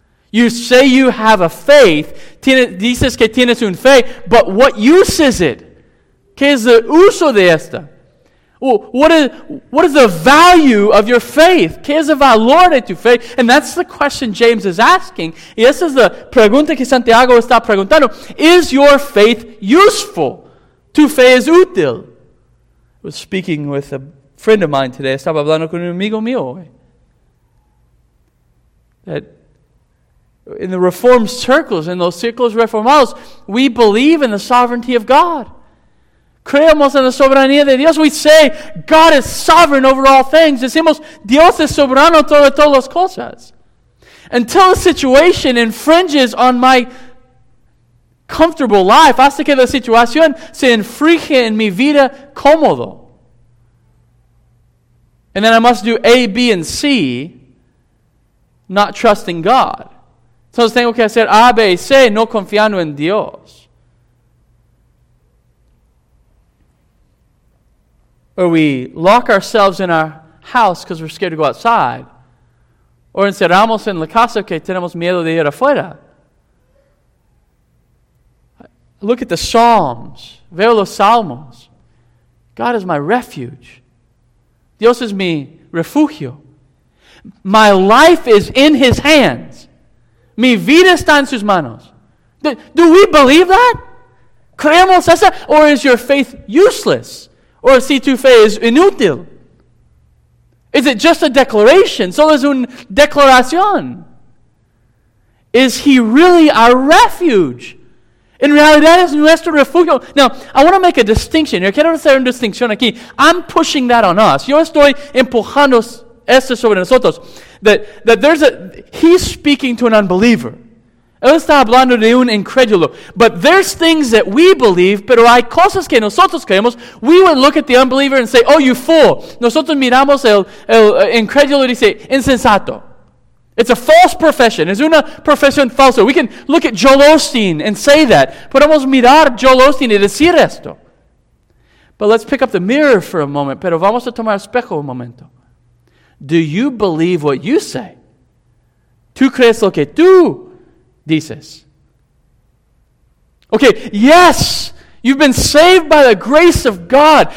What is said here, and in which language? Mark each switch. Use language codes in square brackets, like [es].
[en] You say you have a faith, [es] dices que tienes un fe, [en] but what use is it? [es] ¿Qué es el uso de esta? [en] What is the value of your faith? [es] ¿Qué es el valor de tu fe? [en] And that's the question James is asking. [es] Y esa es la pregunta que Santiago está preguntando. [en] Is your faith useful? [es] ¿Tu fe es útil? [en] I was speaking with a friend of mine today. [es] Estaba hablando con un amigo mío hoy. [en] That in the Reformed circles, in those circles reformados, we believe in the sovereignty of God. [es] Creemos en la soberanía de Dios. [en] We say, God is sovereign over all things. [es] Decimos, Dios es soberano sobre todas las cosas. [en] Until a situation infringes on my comfortable life, [es] hasta que la situación se infringe en mi vida cómodo. [en] And then I must do A, B, and C, not trusting God. [es] Entonces tengo que hacer A, B, C, no confiando en Dios. [en] Or we lock ourselves in our house because we're scared to go outside. [es] Or encerramos en la casa que tenemos miedo de ir afuera. [en] Look at the Psalms. [es] Veo los Salmos. [en] God is my refuge. [es] Dios es mi refugio. [en] My life is in His hands. [es] Mi vida está en sus manos. [en] Do we believe that? [es] ¿Creemos eso? [en] Or is your faith useless? [es] Or si tu fe es inútil? [en] Is it just a declaration? [es] Solo es una declaración. [en] Is He really our refuge? [es] En realidad es nuestro refugio. [en] Now, I want to make a distinction. [es] Yo quiero hacer una distinción aquí. [en] I'm pushing that on us. [es] Yo estoy empujando esto sobre nosotros, [en] that there's a, he's speaking to an unbeliever. [es] Él está hablando de un incrédulo. [en] But there's things that we believe, [es] pero hay cosas que nosotros creemos. [en] We would look at the unbeliever and say, oh, you fool. [es] Nosotros miramos el incrédulo y dice, insensato. [en] It's a false profession. [es] Es una profesión falsa. [en] We can look at Joel Osteen and say that. [es] Podemos mirar Joel Osteen y decir esto. [en] But let's pick up the mirror for a moment. [es] Pero vamos a tomar espejo un momento. [en] Do you believe what you say? [es] ¿Tú crees lo que tú dices? [en] Okay, yes, you've been saved by the grace of God.